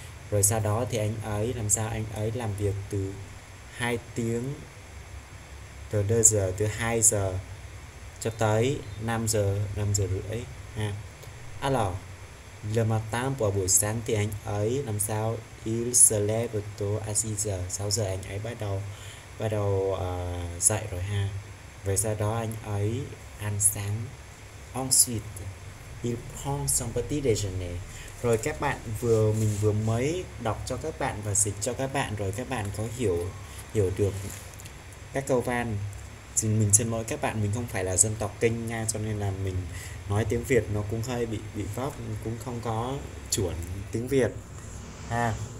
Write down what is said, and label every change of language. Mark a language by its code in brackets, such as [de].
[vi] Rồi sau đó thì anh ấy làm sao, anh ấy làm việc từ 2 tiếng từ đơ giờ từ 2 giờ cho tới 5 giờ, 5 giờ rưỡi ha. [fr] Alors, le matin [vi] vào buổi sáng thì anh ấy làm sao, [fr] il se lève tôt à [vi] 6 giờ, 6 giờ anh ấy bắt đầu dậy rồi ha. Rồi sau đó anh ấy ăn sáng. [fr] Ensuite, il prend son petit déjeuner. [vi] Rồi các bạn vừa mình vừa mới đọc cho các bạn và dịch cho các bạn rồi, các bạn có hiểu hiểu được các câu văn. Thì mình xin lỗi các bạn, mình không phải là dân tộc Kinh nha, cho nên là mình nói tiếng Việt nó cũng hơi bị vấp, cũng không có chuẩn tiếng Việt ha.